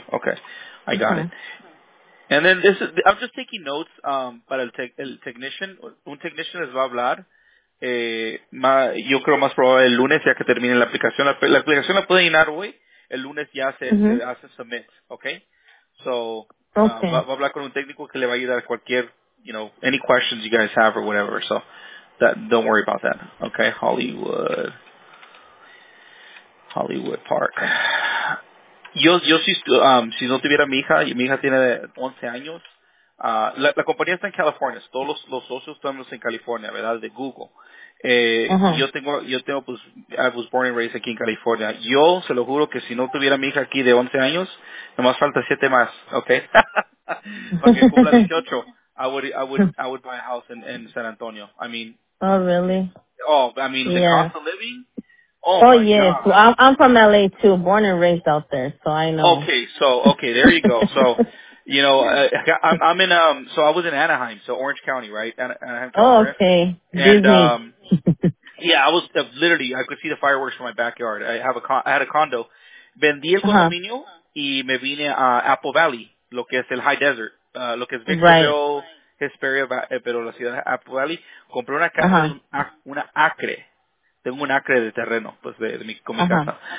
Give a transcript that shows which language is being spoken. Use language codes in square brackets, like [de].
[en] Okay, I got it. And then I'm just taking notes [es] para el [en] technician. [es] Un technician les va a hablar. Yo creo más probable el lunes ya que termine la aplicación. La aplicación la puede llenar hoy. El lunes ya se hace submit, okay. So, [en] okay. [es] Va a hablar con un técnico que le va a ayudar a cualquier, [en] you know, any questions you guys have or whatever. So, that don't worry about that. Okay, Hollywood Park. [es] Yo si no tuviera mi hija tiene 11 años. La compañía está en California. Todos los socios estamos en California, ¿verdad? De Google. [en] I was born and raised [es] aquí en [en] California. [es] Yo se lo juro que si no tuviera mi hija aquí de 11 años, nomás falta 7 más, okay? Porque cumpla 18, [en] I would buy a house in San Antonio. I mean. Oh, really? Oh, I mean, yeah. The cost of living? Oh, oh yes. God. I'm from LA too, born and raised out there, so I know. Okay, there you go. So, you know, I was in Anaheim, so Orange County, right? Anaheim, California. Oh, okay. And, I was literally, I could see the fireworks from my backyard. I had a condo. [es] Vendí el condominio y me vine a Apple Valley, lo que es el High Desert, lo que es Victorville, [en] right. [es] Hesperia, pero la ciudad de Apple Valley. Compré una casa, una acre, tengo un acre de terreno, pues, de mi como casa.